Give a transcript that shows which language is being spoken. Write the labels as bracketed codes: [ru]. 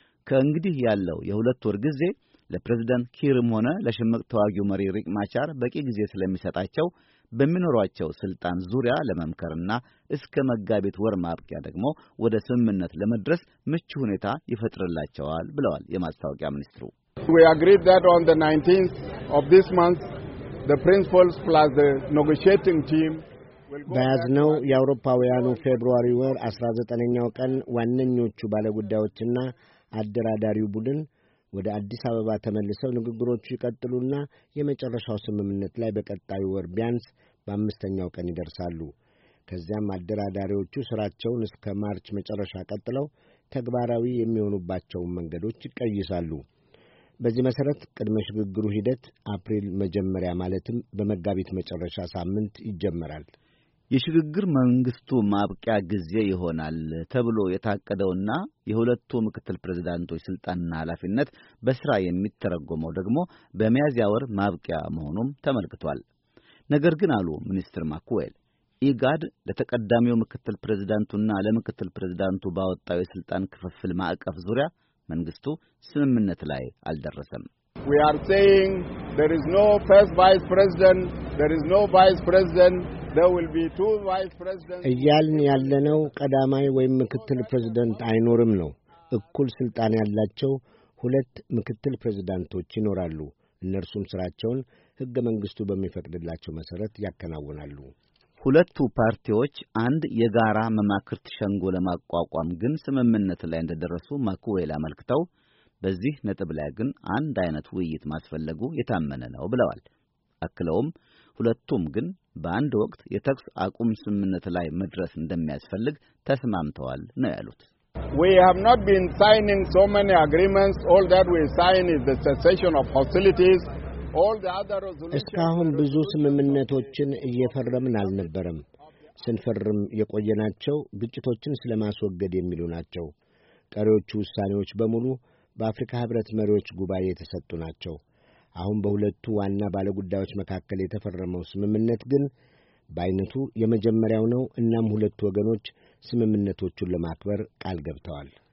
[am] ከእንግዲህ ያለው የሁለት ወር ጊዜ ለፕሬዝዳንት ኪርም ሆነ ለሽምቅ ተዋጊው መሪ ሪክ ማቻር በቂ ጊዜ ስለሚሰጣቸው በሚኖሯቸው ስልጣን ዙሪያ ለመምከርና እስከ መጋቢት ወር ማብቂያ ደግሞ ወደ ስምምነት ለመድረስ ምቹ ሁኔታ ይፈጥርላቸዋል ብለዋል የማስታወቂያ ሚኒስትሩ። [en] We agreed that on the 19th of this month the principals plus the negotiating team [am] በያዝነው የአውሮፓውያኑ ፌብሩዋሪ ወር 19ኛው ቀን ዋነኞቹ ባለጉዳዮችና አደራዳሪው ቡድን ወደ አዲስ አበባ ተመልሰው ንግግሮቹ ይቀጥሉና የመጨረሻው ስምምነት ላይ በቀጣዩ ወር ቢያንስ በአምስተኛው ቀን ይደርሳሉ። ከዚያም አደራዳሪዎቹ ስራቸውን እስከ ማርች መጨረሻ ቀጥለው ተግባራዊ የሚሆኑባቸው መንገዶች ይቀይሳሉ። በዚህ መሰረት ቅድመ ሽግግሩ ሂደት አፕሪል መጀመሪያ ማለትም በመጋቢት መጨረሻ ሳምንት ይጀመራል። የሽግግር መንግስቱ ማብቂያ ጊዜ ይሆናል ተብሎ የታቀደውና የሁለቱ ምክትል ፕሬዝዳንቶች ስልጣንና ኃላፊነት በስራ የሚተረጎመው ደግሞ በሚያዝያ ወር ማብቂያ መሆኑም ተመልክቷል። ነገር ግን አሉ ሚኒስትር ማኩዌል፣ ኢጋድ ለተቀዳሚው ምክትል ፕሬዝዳንቱና ለምክትል ፕሬዝዳንቱ ባወጣው የስልጣን ክፍፍል ማዕቀፍ ዙሪያ መንግስቱ ስምምነት ላይ አልደረሰም። [en] We are saying there is no first vice president, there is no vice president, there will be two vice presidents. [am] እያልን ያለነው ቀዳማይ ወይም ምክትል ፕሬዝዳንት አይኖርም ነው። እኩል ስልጣን ያላቸው ሁለት ምክትል ፕሬዝዳንቶች ይኖራሉ። እነርሱም ስራቸውን ህገ መንግስቱ በሚፈቅድላቸው መሰረት ያከናውናሉ። ሁለቱ ፓርቲዎች አንድ የጋራ መማክርት ሸንጎ ለማቋቋም ግን ስምምነት ላይ እንደደረሱ ማኩዌል አመልክተው፣ በዚህ ነጥብ ላይ ግን አንድ አይነት ውይይት ማስፈለጉ የታመነ ነው ብለዋል። አክለውም ሁለቱም ግን በአንድ ወቅት የተኩስ አቁም ስምምነት ላይ መድረስ እንደሚያስፈልግ ተስማምተዋል ነው ያሉት። [en] We have not been signing so many agreements. All that we sign is the cessation of hostilities. All the other resolutions. [am] እስካሁን ብዙ ስምምነቶችን እየፈረምን አልነበረም። ስንፈርም የቆየናቸው ግጭቶችን ስለማስወገድ የሚሉ ናቸው። ቀሪዎቹ ውሳኔዎች በሙሉ በአፍሪካ ህብረት መሪዎች ጉባኤ የተሰጡ ናቸው። አሁን በሁለቱ ዋና ባለጉዳዮች መካከል የተፈረመው ስምምነት ግን በአይነቱ የመጀመሪያው ነው። እናም ሁለቱ ወገኖች ስምምነቶቹን ለማክበር ቃል ገብተዋል።